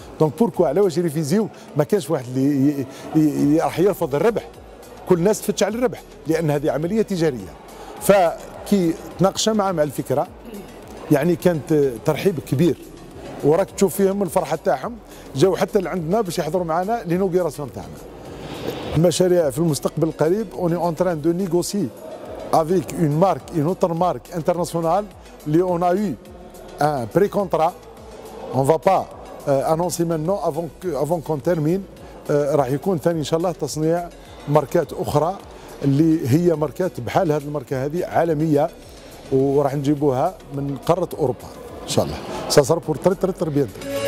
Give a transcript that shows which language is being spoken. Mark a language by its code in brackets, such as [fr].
[ar] دونك بوركوا على واش ريفيزيو ما كانش واحد اللي راح يرفض الربح، كل الناس تفتش على الربح لان هذه عمليه تجاريه. فكي تناقش معاه مع الفكره يعني كانت ترحيب كبير وراك تشوف فيهم الفرحه تاعهم، جاوا حتى لعندنا باش يحضروا معنا لينوغيراسيون تاعنا. المشاريع في المستقبل القريب [fr] اوني اون تران دو نيغوسي avec une marque, une autre marque internationale, on a eu un pré-contrat. On ne va pas annoncer maintenant avant qu'on termine. [ar] راح يكون ثاني إن شاء الله تصنيع ماركات أخرى اللي هي ماركات بحال هذه الماركة هذه عالمية وراح نجيبوها من قارة أوروبا إن شاء الله. [fr] ça sera pour très très très bientôt.